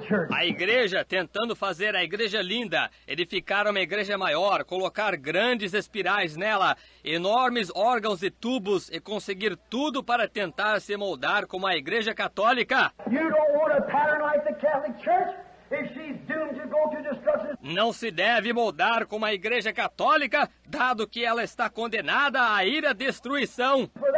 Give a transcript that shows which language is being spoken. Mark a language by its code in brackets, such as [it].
[pt] A igreja tentando fazer a igreja linda, edificar uma igreja maior, colocar grandes espirais nela, enormes órgãos e tubos e conseguir tudo para tentar se moldar como a igreja católica. [en] You don't want a pattern like the Catholic Church? If she's doomed to go to destruction. [pt] Não se deve moldar como a igreja católica, dado que ela está condenada à ira e destruição.